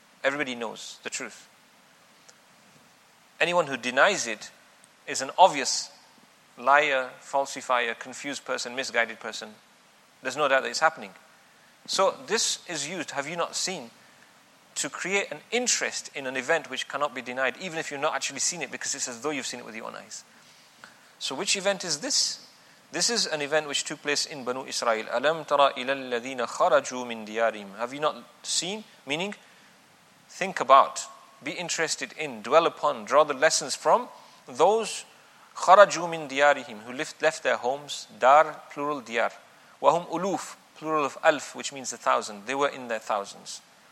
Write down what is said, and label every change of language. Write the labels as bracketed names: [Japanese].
[English] Everybody knows the truth. Anyone who denies it is an obvious liar, falsifier, confused person, misguided person. There's no doubt that it's happening. So this is used, have you not seen, to create an interest in an event which cannot be denied, even if you've not actually seen it, because it's as though you've seen it with your own eyes. So which event is this? This is an event which took place in Banu Israel. [Arabic] أَلَمْ تَرَى إِلَى الَّذِينَ خَرَجُوا مِنْ دِيَارِهِمْ [English] Have you not seen? Meaning, think about, be interested in, dwell upon, draw the lessons from those [Arabic] خَرَجُوا مِنْ دِيَارِهِمْ [English] who left their homes, دار, plural diyar. [Arabic] وَهُمْ أُلُوف, [English] plural of alf, which means a thousand. They were in their thousands.